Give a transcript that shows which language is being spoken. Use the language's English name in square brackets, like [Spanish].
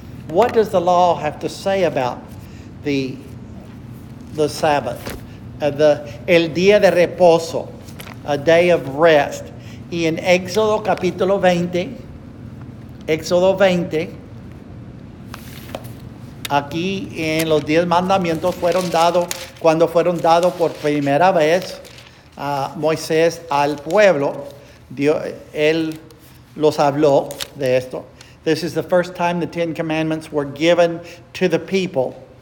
[English] What does the law have to say about the Sabbath? [Spanish] El día de reposo, [English] a day of rest. [Spanish] Y en Éxodo capítulo 20, Éxodo 20, aquí en los 10 mandamientos fueron dados, cuando fueron dados por primera vez a Moisés al pueblo, Dios, él los habló de esto. [English] This is the first time the Ten Commandments were given to the people.